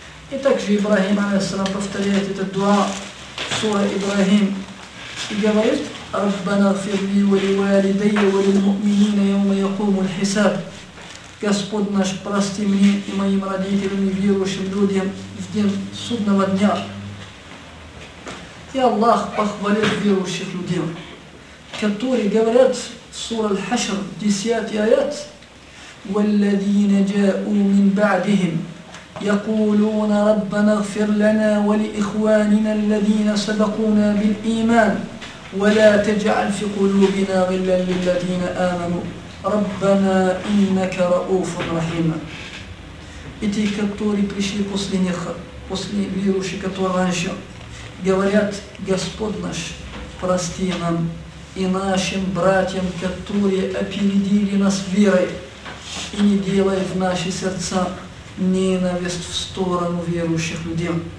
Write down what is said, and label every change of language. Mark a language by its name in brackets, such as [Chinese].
[Russian] И также Ибрахим алейхиссалам повторяет этот дуа, [Arabic] سورة إبراهيم يقول ربنا اغفر لي ولوالدي وللمؤمنين يوم يقوم الحساب [Russian] Господь наш, прости мне и моим родителям и верующим людям в день судного дня. И Аллах похвалил верующих людей, которые говорят [Arabic] سورة الحشر 10 آيات والذين جاءوا من بعدهم يقولون ربنا اغفر لنا ولإخواننا الذين سبقونا بالإيمان ولا تجعل في قلوبنا غلا للذين آمنوا ربنا إنك رؤوف رحيم. [Russian] Эти, которые пришли после них, после верующих, которые раньше, говорят, Господь наш, прости нам и нашим братьям, которые опередили нас верой, и не делай в наши сердца ненависть в сторону верующих людей.